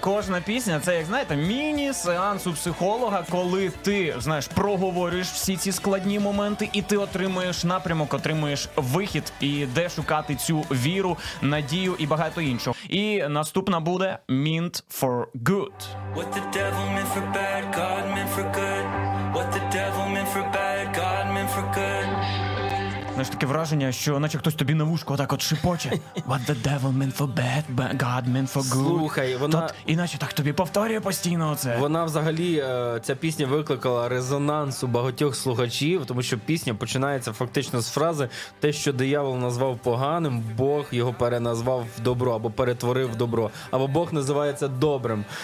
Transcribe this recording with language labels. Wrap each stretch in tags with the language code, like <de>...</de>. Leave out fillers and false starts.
<uk>Тому кожна пісня, це, як знаєте, міні-сеанс у психолога, коли ти, знаєш, проговорюєш всі ці складні моменти, і ти отримуєш напрямок, отримуєш вихід, і де шукати цю віру, надію і багато іншого. І наступна буде</uk> <en>«Meant for Good». What the devil meant for bad, God meant for good. What the devil meant for bad, God meant for good.</en> <uk>Знаєш, таке враження, що наче хтось тобі на вушко отак от шепоче.</uk> <en>What the devil meant for bad, but God meant for good.</en> <uk>Слухай, вона... Тут, іначе так тобі повторює постійно це. Вона взагалі, ця пісня викликала резонанс у багатьох слухачів, тому що пісня починається фактично з фрази «Те, що диявол назвав поганим, Бог його переназвав в добро, або перетворив в добро, або Бог називається добрим».</uk>